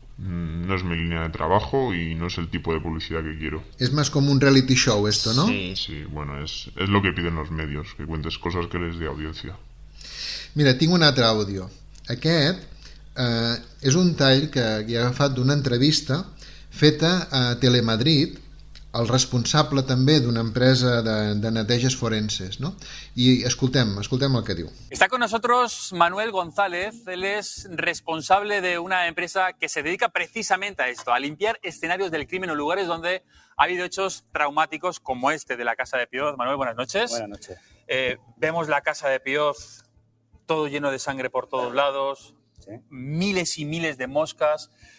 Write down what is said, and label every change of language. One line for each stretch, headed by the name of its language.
Spanish: No es mi línea de trabajo y no es el tipo de publicidad que quiero. Es más como un reality show esto, ¿no? Sí, sí. Bueno, es lo que piden los medios, que cuentes cosas que les dé audiencia.
Catalan: Mira, tinc un altre audio. Aquest és un tall que he agafat d'una entrevista feta a Telemadrid, el responsable també d'una empresa de neteges forenses, ¿no? Y escoltem el que diu.
Spanish: Está con nosotros Manuel González, él es responsable de una empresa que se dedica precisamente a esto, a limpiar escenarios del crimen o lugares donde ha habido hechos traumáticos como este de la Casa de Pioz. Manuel, buenas noches. Buenas noches. Vemos la Casa de Pioz todo lleno de sangre por todos lados, miles y miles de moscas.